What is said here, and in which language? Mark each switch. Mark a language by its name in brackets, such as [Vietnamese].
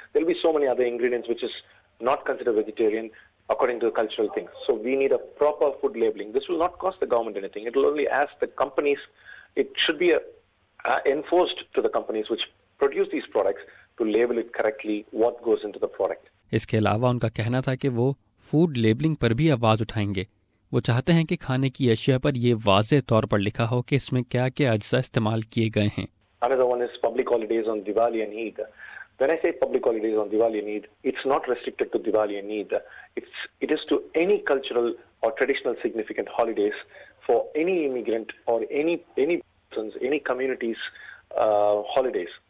[English] There will be so many other ingredients which is not considered vegetarian according to the cultural thing. So we need a proper food labeling. This will not cost the government anything. It will only ask the companies, it should be enforced to the companies which produce these products to label it correctly what goes into the product. [Urdu] Iske alawa unka kehna tha ki wo food labeling par bhi awaaz uthayenge. وہ چاہتے ہیں کہ کھانے کی اشیاء پر یہ واضح طور پر لکھا ہو کہ اس میں کیا کیا اجزاء استعمال کیے گئے ہیں. [English] Another one is public holidays on Diwali and Eid. When I say public holidays on Diwali and Eid, it's not restricted to Diwali and Eid. It is to any cultural or traditional significant holidays for any immigrant or any persons, any communities holidays.